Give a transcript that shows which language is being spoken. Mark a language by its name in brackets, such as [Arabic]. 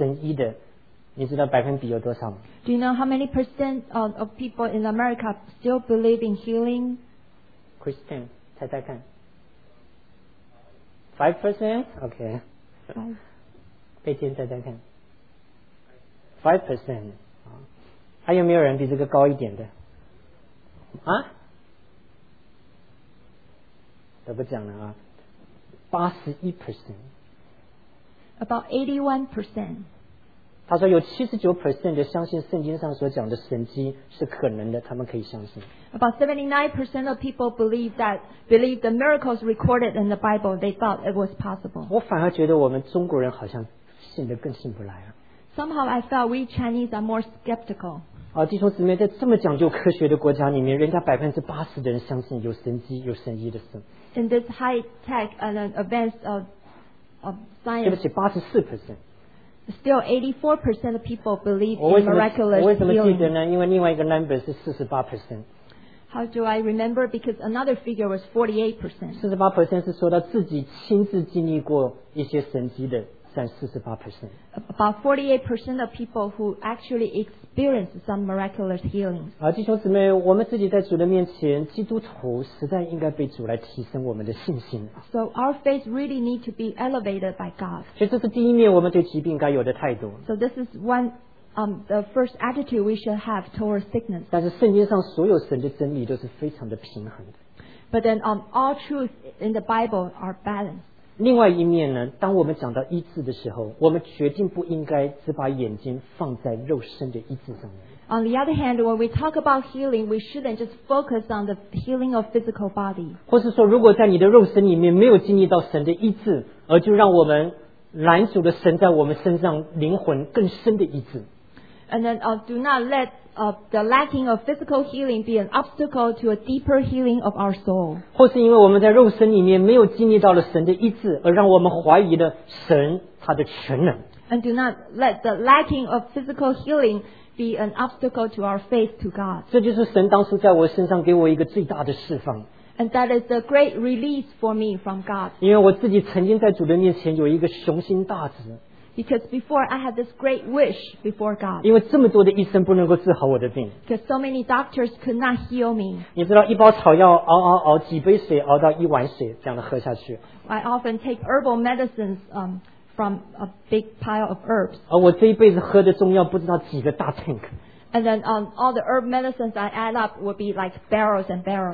[Chinese] 它里面讲到，在美国相信神迹神医的，你知道百分比有多少吗？ [English] Do you know how many percent of people in America still believe in healing? [Chinese] Christian, 猜猜看。 5%? Okay. 贝天猜猜看。5%. 还有没有人比这个高一点的？啊，都不讲了啊， 81%， [English] about 81%， [Chinese] 他说有 79% 的相信圣经上所讲的神迹是可能的，他们可以相信。 [English] About 79% of people believe the miracles recorded in the Bible, they thought it was possible. [Chinese] 我反而觉得我们中国人好像信得更信不来啊。 [English] Somehow I felt we Chinese are more skeptical. [Chinese] 啊，弟兄姊妹，在这么讲究科学的国家里面，人家80%的人相信有神迹、有神医的事。 [English] In this high-tech and advanced of science. [Chinese] 对不起，84%。 [English] Still, 84% of people believe in miraculous [Chinese] healing. 我为什么记得呢？因为另外一个 number 是48%。 [English] How do I remember? Because another figure was 48%. [Chinese] 48% 是说到自己亲自经历过一些神迹的。 [English] About 48% of people who actually experience some miraculous healing. [Chinese] 弟兄姊妹，我们自己在主的面前，基督徒实在应该被主来提升我们的信心。 [English] So our faith really need to be elevated by God. [Chinese] 其实这是第一面我们对疾病该有的态度。 [English] So this is one, the first attitude we should have towards sickness. [Chinese] 但是圣经上所有神的真理都是非常的平衡的。 [English] But then, all truths in the Bible are balanced. [Chinese] 另外一面呢，当我们讲到医治的时候，我们决定不应该只把眼睛放在肉身的医治上面。 [English] On the other hand, when we talk about healing, we shouldn't just focus on the healing of physical body. [Chinese] 或是说，如果在你的肉身里面没有经历到神的医治，而就让我们拦阻的神在我们身上灵魂更深的医治。 [English] And then, do not let the lacking of physical healing be an obstacle to a deeper healing of our soul. [Chinese] 或是因为我们在肉身里面没有经历到了神的医治，而让我们怀疑了神他的全能。 [English] And do not let the lacking of physical healing be an obstacle to our faith to God. [Chinese] 这就是神当初在我身上给我一个最大的释放。 [English] And that is a great release for me from God. [Chinese] 因为我自己曾经在主的面前有一个雄心大志。 [English] Because before I had this great wish before God. [Chinese] 因为这么多的医生不能够治好我的病。 [English] Because so many doctors could not heal me. [Chinese] 你知道一包草药熬几杯水熬到一碗水这样的喝下去。 [English] I often take herbal medicines, from a big pile of herbs. [Chinese] 而我这一辈子喝的中药不知道几个大 tank. [English] And then, all the herb medicines I add up would be like barrels and barrels.